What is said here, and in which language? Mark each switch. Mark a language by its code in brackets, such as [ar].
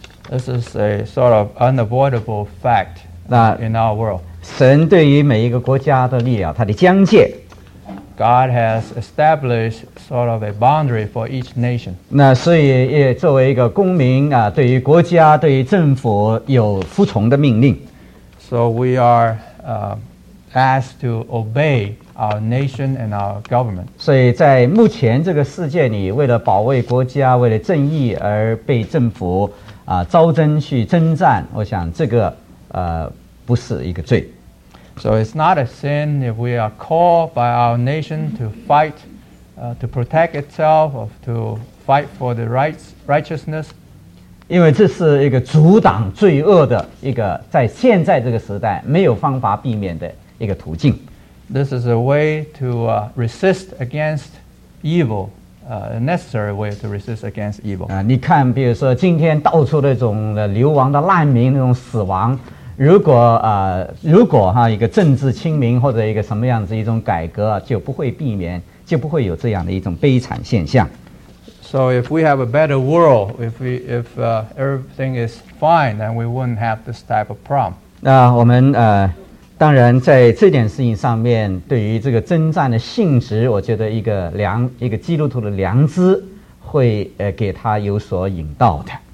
[en] This is a sort of unavoidable fact in our world. [zh] 神对于每一个国家的立了他的疆界。 [en] God has established sort of a boundary for each nation. [zh] 那所以也作为一个公民啊，对于国家、对于政府有服从的命令。 [en] So we are asked to obey our nation and our government. [zh] 所以在目前这个世界里，为了保卫国家、为了正义而被政府啊招征去征战，我想这个不是一个罪。 [en] So it's not a sin if we are called by our nation to fight, to protect itself, or to fight for the rights, righteousness. [zh] 因为这是一个阻挡罪恶的一个在现在这个时代没有方法避免的一个途径。 [en] This is a way to resist against evil, a necessary way to resist against evil. [zh] 你看，比如说今天到处那种流亡的难民，那种死亡。如果一个政治清明或者一个什么样子一种改革，就不会避免，就不会有这样的一种悲惨现象。 [en] So if we have a better world, if everything is fine, then we wouldn't have this type of problem. [zh] 那我们当然在这件事情上面，对于这个征战的性质，我觉得一个基督徒的良知会给他有所引导的。